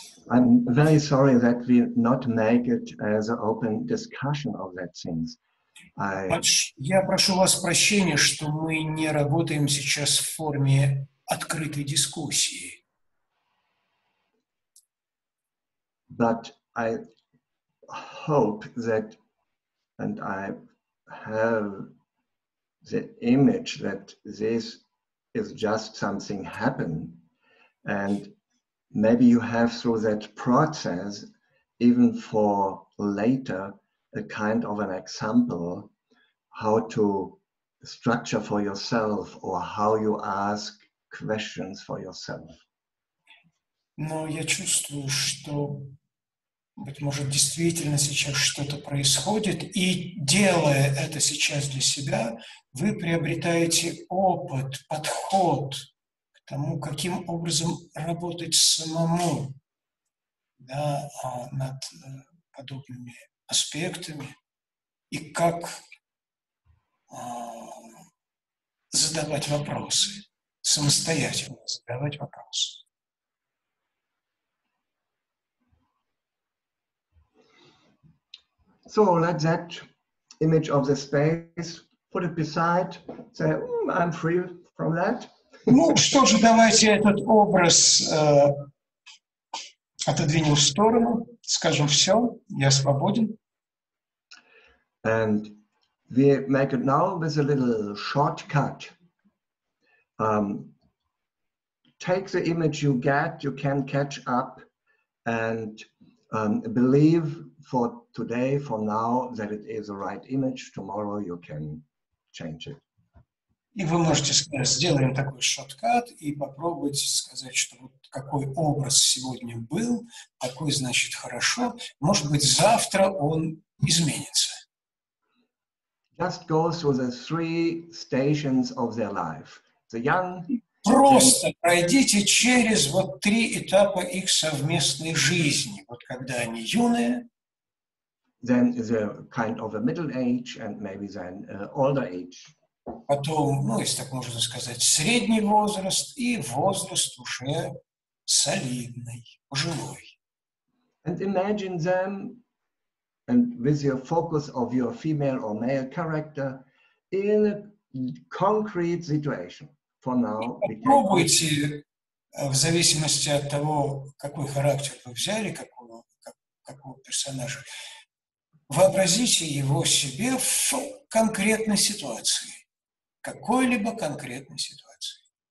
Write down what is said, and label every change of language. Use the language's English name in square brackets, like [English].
[English] I'm very sorry that we not make it as an open discussion of that things. [Russian] Я прошу вас прощения, что мы не работаем сейчас в форме открытой дискуссии. [English] But I hope that, and I have the image that this is just something happen, and maybe you have through that process, even for later, a kind of an example how to structure for yourself or how you ask questions for yourself. [Russian] Но я чувствую, что, быть может, действительно сейчас что-то происходит, и делая это сейчас для себя, вы приобретаете опыт, подход к тому, каким образом работать самому, да, над подобными аспектами, и как задавать вопросы, самостоятельно задавать вопросы. [English] So let that image of the space put it beside, say, I'm free from that. [Russian] Ну что же, давайте этот образ отодвинем в сторону, скажем, все, я свободен. [English] And we make it now with a little shortcut. Take the image you get, you can catch up and believe for today, for now, that it is the right image. Tomorrow you can change it. [Russian] И вы можете сказать, сделаем такой шоткат и попробуйте сказать, что вот какой образ сегодня был, такой, значит, хорошо. Может быть, завтра он изменится. [English] Just go through the three stations of their life. The young... [Russian] Просто пройдите через вот три этапа их совместной жизни. Вот когда они юные. [English] Then the kind of a middle age and maybe then older age. [Russian] Потом, ну, если так можно сказать, средний возраст и возраст уже солидный, пожилой. [English] And imagine them, and with your focus of your female or male character, in a concrete situation. [Russian] Попробуйте, в зависимости от того, какой характер вы взяли, какого персонажа, вообразите его себе в конкретной ситуации, какой-либо конкретной ситуации.